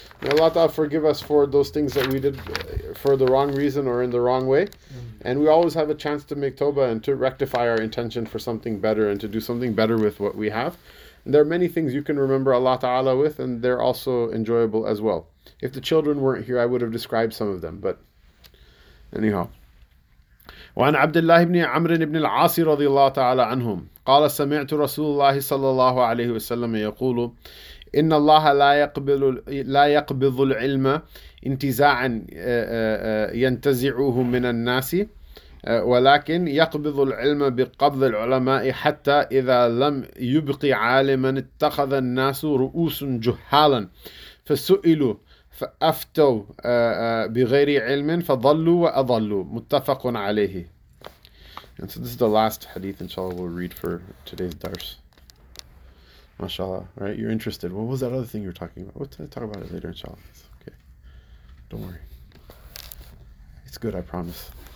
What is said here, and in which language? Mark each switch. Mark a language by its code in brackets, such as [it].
[en] May Allah Ta'ala forgive us for those things that we did for the wrong reason or in the wrong way. Mm-hmm. And we always have a chance to make tawbah and to rectify our intention for something better and to do something better with what we have. And there are many things you can remember Allah Ta'ala with, and they're also enjoyable as well. If the children weren't here, I would have described some of them. But anyhow. [ar] وعن عبد الله بن عمرو بن العاص رضي الله تعالى عنهم قال سمعت رسول الله صلى الله عليه وسلم يقول إن الله لا يقبض العلم انتزاعا ينتزعه من الناس ولكن يقبض العلم بقبض العلماء حتى إذا لم يبق عالما اتخذ الناس رؤوس جهالا فسئلوا فأفتوا بغير علم فضلوا وأضلوا متفق عليه. [en] And so this is the last hadith, inshallah, we'll read for today's dars. MashaAllah, right? You're interested. What was that other thing you were talking about? We'll talk about it later, inshallah. It's okay. Don't worry. It's good, I promise.